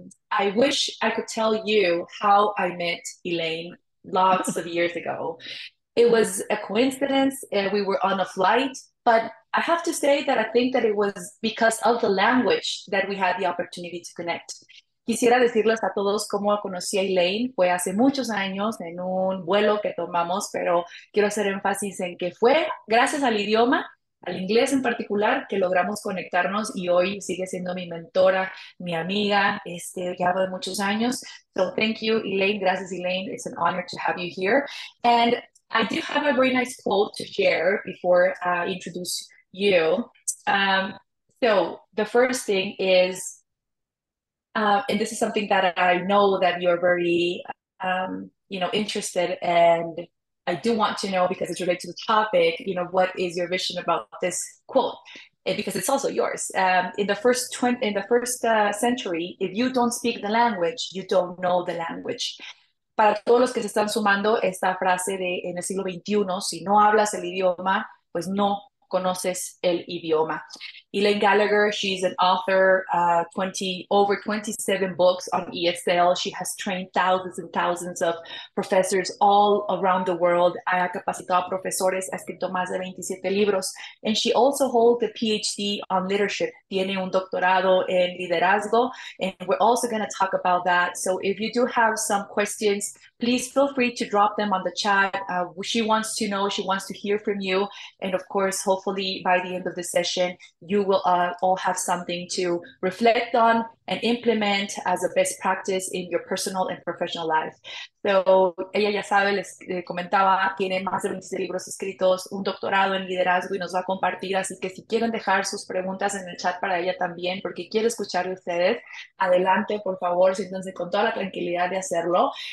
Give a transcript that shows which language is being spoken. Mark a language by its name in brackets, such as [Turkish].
[English] I wish I could tell you how I met Elaine lots of years ago. It was a coincidence, and we were on a flight, but I have to say that I think that it was because of the language that we had the opportunity to connect. [Spanish] Quisiera decirles a todos cómo conocí a Elaine. Fue hace muchos años en un vuelo que tomamos, pero quiero hacer énfasis en que fue gracias al idioma, al inglés en particular, que logramos conectarnos y hoy sigue siendo mi mentora, mi amiga, ya de muchos años. [English] So thank you, Elaine. [Spanish] Gracias, Elaine. [English] It's an honor to have you here. And I do have a very nice quote to share before I introduce you. So the first thing is, and this is something that I know that you're very, interested and I do want to know because it's related to the topic, what is your vision about this quote? And because it's also yours. In the first century, if you don't speak the language, you don't know the language. [Spanish] Para todos los que se están sumando, esta frase de en el siglo XXI, si no hablas el idioma, pues no conoces el idioma. [English] Elaine Gallagher, she's an author, over 27 books on ESL. She has trained thousands and thousands of professors all around the world. [Spanish] Ha capacitado profesores, ha escrito más de 27 libros. [English] And she also holds a PhD on leadership. [Spanish] Tiene un doctorado en liderazgo. [English] And we're also going to talk about that. So if you do have some questions, please feel free to drop them on the chat. She wants to know, she wants to hear from you. And of course, hopefully by the end of the session, you will all have something to reflect on and implement as a best practice in your personal and professional life. [Spanish] So, ella ya sabe, les comentaba, tiene más de 20 libros escritos, un doctorado en liderazgo y nos va a compartir. Así que si quieren dejar sus preguntas en el chat para ella también, porque quiero escuchar de ustedes, adelante, por favor, siéntanse con toda la tranquilidad de hacerlo.